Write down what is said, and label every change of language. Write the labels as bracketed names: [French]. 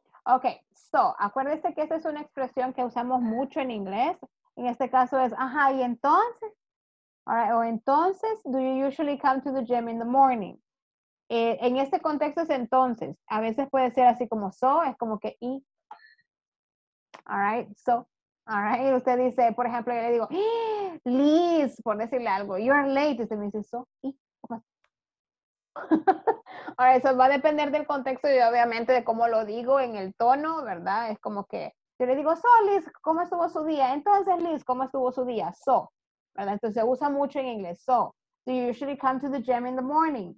[Spanish] Okay, so, acuérdese que esa es una expresión que usamos mucho en inglés. En este caso es, ajá, ¿y entonces? [English] All right, [Spanish] o entonces, [English] do you usually come to the gym in the morning? [Spanish] En este contexto es entonces. A veces puede ser así como so, es como que y. All right, so. All right, usted dice, por ejemplo, yo le digo, Liz, por decirle algo, [English] you're late. [Spanish] Usted me dice so, y. All right, eso va a depender del contexto y obviamente de cómo lo digo en el tono, ¿verdad? Es como que yo le digo, so Liz, ¿cómo estuvo su día? Entonces Liz, ¿cómo estuvo su día? So, ¿verdad? Entonces se usa mucho en inglés, so. [English] Do you usually come to the gym in the morning?